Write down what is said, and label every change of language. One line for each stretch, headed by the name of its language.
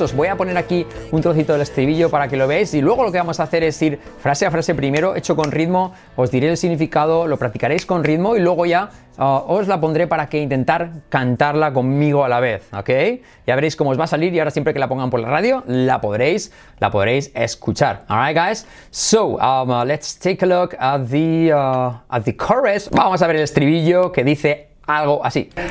Spanish: Os voy a poner aquí un trocito del estribillo para que lo veáis y luego lo que vamos a hacer es ir frase a frase primero, hecho con ritmo, os diré el significado, lo practicaréis con ritmo y luego ya os la pondré para que intentar cantarla conmigo a la vez, ¿ok? Ya veréis cómo os va a salir y ahora siempre que la pongan por la radio, la podréis escuchar.
English: All right, guys. So, let's take a look at the chorus.
Spanish: Vamos a ver el estribillo que dice algo así.